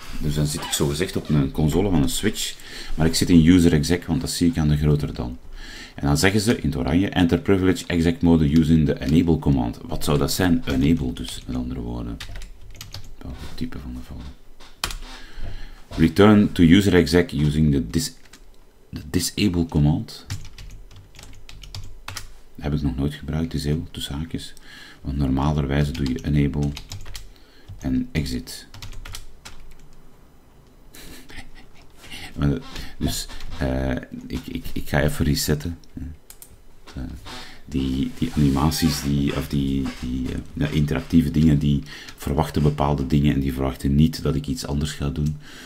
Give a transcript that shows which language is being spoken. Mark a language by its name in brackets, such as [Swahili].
[Dutch] Dus dan zit ik zogezegd op een console van een switch. Maar ik zit in user exec, want dat zie ik aan de groter dan. En dan zeggen ze in het oranje, [English] enter privilege exec mode using the enable command. [Dutch] Wat zou dat zijn? Enable dus, met andere woorden. Welke type van de volgende. [English] Return to user exec using the disable command. [Dutch] Dat heb ik nog nooit gebruikt, disable, tussen haakjes. Want normalerwijze doe je enable en exit. Dus ik ga even resetten. Die animaties, die interactieve dingen, die verwachten bepaalde dingen en die verwachten niet dat ik iets anders ga doen.